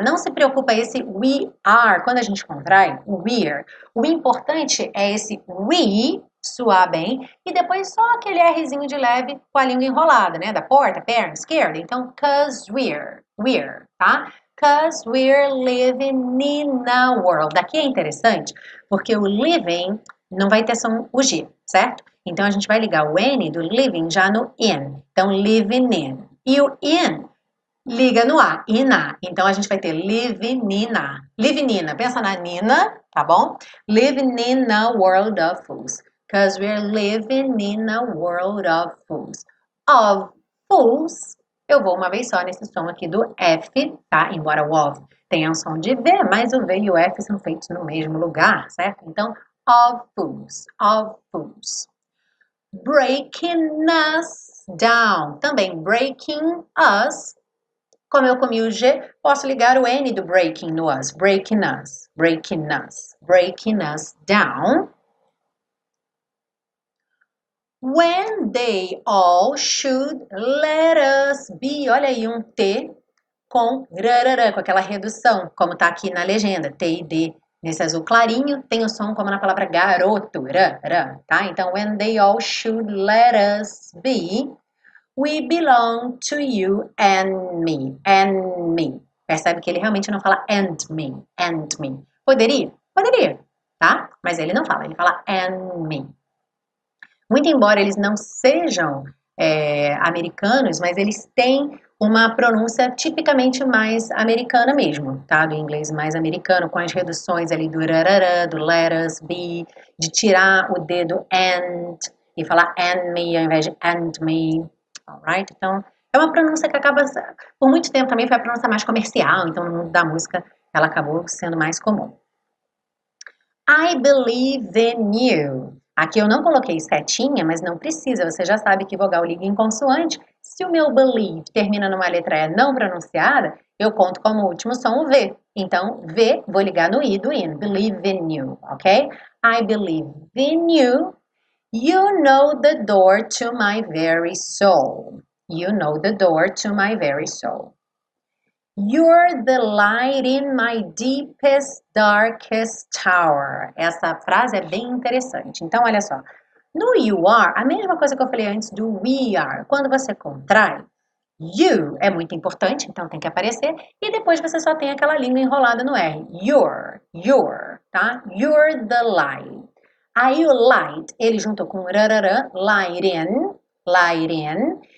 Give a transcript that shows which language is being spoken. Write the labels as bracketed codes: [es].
[pt] Não se preocupa esse [en] we are, [pt] quando a gente contrai, [en] we're. [pt] O importante é esse we suar bem e depois só aquele Rzinho de leve com a língua enrolada, né? Da porta, perna, esquerda. [en] Então, 'cause we're, tá? 'Cause we're living in a world. [pt] Daqui é interessante, porque o living não vai ter som o G, certo? Então a gente vai ligar o N do living já no in. Então, living in. E o in liga no A, ina. Então a gente vai ter living in a. [en] Living in a. [pt] Pensa na Nina, tá bom? [en] Living in a world of fools. 'Cause we're living in a world of fools. Of fools. [pt] Eu vou uma vez só nesse som aqui do F, tá? Embora o of tenha um som de V, mas o V e o F são feitos no mesmo lugar, certo? [en] Então, of fools, of fools. Breaking us down. [pt] Também, breaking us. Como eu comi o G, posso ligar o N do breaking no us. [en] Breaking us, breaking us, breaking us down. When they all should let us be, [pt] olha aí um T com rarara, com aquela redução, como tá aqui na legenda, T e D. Nesse azul clarinho, tem o som como na palavra garoto, rara, tá? [en] Então, when they all should let us be, we belong to you and me, and me. [pt] Percebe que ele realmente não fala [en] and me. [pt] Poderia? Poderia, tá? Mas ele não fala, ele fala [en] and me. [pt] Muito embora eles não sejam americanos, mas eles têm uma pronúncia tipicamente mais americana mesmo, tá? Do inglês mais americano, com as reduções ali do rarara, do [en] let us be, [pt] de tirar o dedo and e falar [en] and me [pt] ao invés de and me, alright? Então, é uma pronúncia que acaba, por muito tempo também foi a pronúncia mais comercial, então no mundo da música ela acabou sendo mais comum. [en] I believe in you. [pt] Aqui eu não coloquei setinha, mas não precisa. Você já sabe que vogal liga em consoante. Se o meu believe termina numa letra E não pronunciada, eu conto como último som o V. Então, V, vou ligar no I do in. [en] Believe in you, ok? I believe in you. You know the door to my very soul. You know the door to my very soul. You're the light in my deepest, darkest tower. [pt] Essa frase é bem interessante. Então, olha só. No you are, a mesma coisa que eu falei antes do we are. Quando você contrai, you é muito importante, então tem que aparecer. E depois você só tem aquela língua enrolada no R. [en] You're, [pt] tá? [en] You're the light. [pt] Aí o light, ele juntou com rararã, [en] light in.